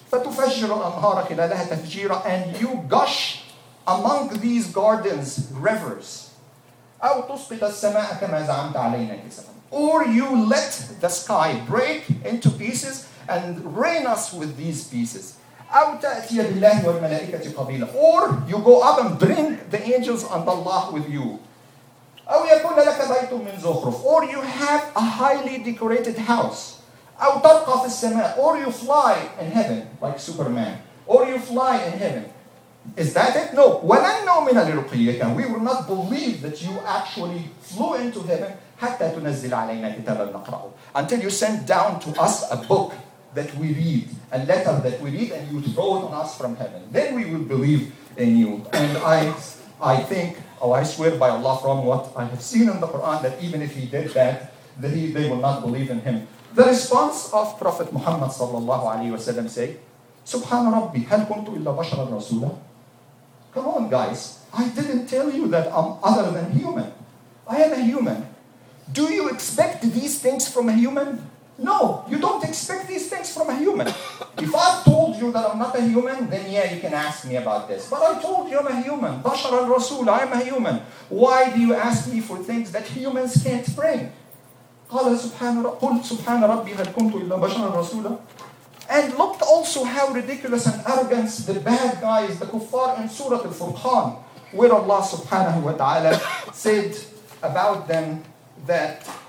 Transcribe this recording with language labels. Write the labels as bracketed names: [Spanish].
[Arabic] فَتُفَجِّرُ الْأَنْهَارَ خِلَالَهَا تَفْجِيرًا [English] And you gush among these gardens rivers. [Arabic] أَوْ تُسْقِطَ السَّمَاءَ كَمَا زَعَمْتَ عَلَيْنَا كِسَفًا [English] Or you let the sky break into pieces and rain us with these pieces. [Arabic] أو تأتي بالله والملائكة قبيلة [English] Or you go up and bring the angels and Allah with you [Arabic] أو يكون لك بيت من زخرف [English] Or you have a highly decorated house [Arabic] أو تبقى في السماء [English] Or you fly in heaven like Superman Or you fly in heaven Is that it? No [Arabic] ولن نؤمن لرقيك [English] We will not believe that you actually flew into heaven [Arabic] حتى تنزل علينا كتابا نقرأه [English] Until you send down to us a book that we read, a letter that we read, and you throw it on us from heaven. Then we will believe in you. And I think, oh, I swear by Allah from what I have seen in the Quran, that even if he did that, they will not believe in him. The response of Prophet Muhammad sallallahu alayhi wa sallam say, [Arabic] Subhan Rabbi, hal kuntu illa basharan rasula? [English] Come on, guys. I didn't tell you that I'm other than human. I am a human. Do you expect these things from a human? No, you don't expect these things from a human. If I've told you that I'm not a human, then yeah, you can ask me about this. But I told you I'm a human. Bashar al-Rasul, I am a human. Why do you ask me for things that humans can't bring? [Arabic] قلت سبحان ربي هل كنت إلا بشرا رسولا [English] And look also how ridiculous and arrogant the bad guys, the kuffar in Surah Al-Furqan, where Allah subhanahu wa ta'ala said about them that...